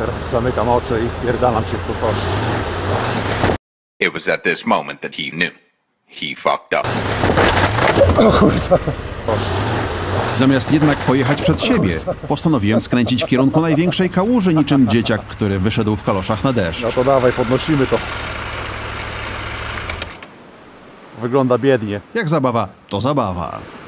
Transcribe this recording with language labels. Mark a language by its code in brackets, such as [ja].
[pl] Zamykam oczy i wpierdalam się w to coś. [en] It was at this moment that he knew. He fucked up. [pl] O kurwa. Zamiast jednak pojechać przed siebie, postanowiłem skręcić w kierunku największej kałuży, niczym dzieciak, który wyszedł w kaloszach na deszcz. No to dawaj, podnosimy to. Wygląda biednie. Jak zabawa, to zabawa.